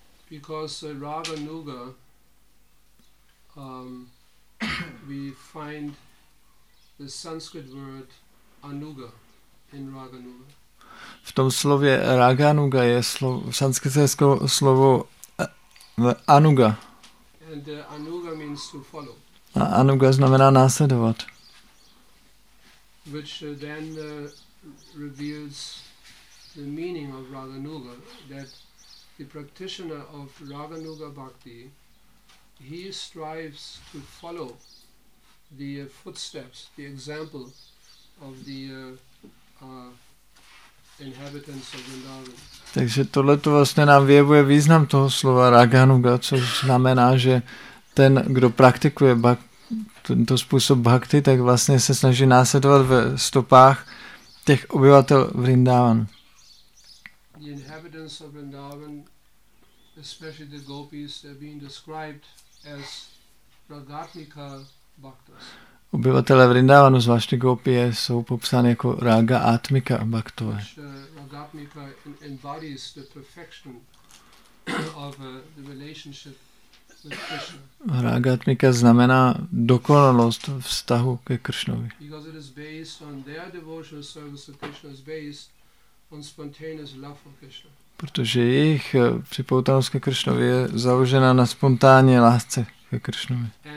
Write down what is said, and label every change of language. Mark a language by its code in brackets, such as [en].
[en] Because Raganuga we find the Sanskrit word anuga in Raganuga. [cs] V tom slově Raganuga je sanskritské slovo anuga. [en] And anuga means to follow. [cs] A anuga znamená následovat. [en] Which then reveals the meaning of Raganuga, that the practitioner of Raganuga bhakti, he strives to follow the footsteps, the example of the inhabitants of Vrindavan. [cs] Takže tohle to vlastně nám vyjevuje význam toho slova Raganuga, což znamená, že ten, kdo praktikuje tento způsob bhakti, tak vlastně se snaží následovat ve stopách těch obyvatel Vrindavan. [en] The inhabitants of Vrindavan, especially the gopis, are being described as ragatmika bhaktas. [cs] Obyvatelé Vrindavanu, zvláště gopie, jsou popsány jako raga atmika bhaktové. [en] Ragatmika embodies the perfection of the relationship with Krishna. [cs] Raga atmika znamená dokonalost vztahu ke Krishnovi. [en] Because it is based on their devotional service to Krishna is based on spontaneous love for Krishna. [cs] Protože jejich připoutanost ke Krishnovi je založena na spontánní lásce ke Krishnovi.